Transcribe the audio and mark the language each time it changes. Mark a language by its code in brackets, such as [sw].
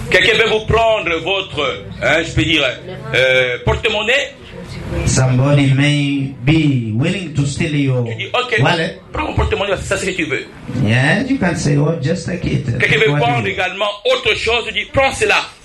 [fr] Quelqu'un peut vous prendre votre, hein, je peux dire, porte-monnaie. [en] Somebody may be willing to steal your okay, wallet. [fr] Prends mon porte-monnaie, c'est ça ce que tu veux. [en] Yeah, you can say, oh, just take it. [fr] Quelqu'un veut prendre également autre chose, tu dis, prends cela.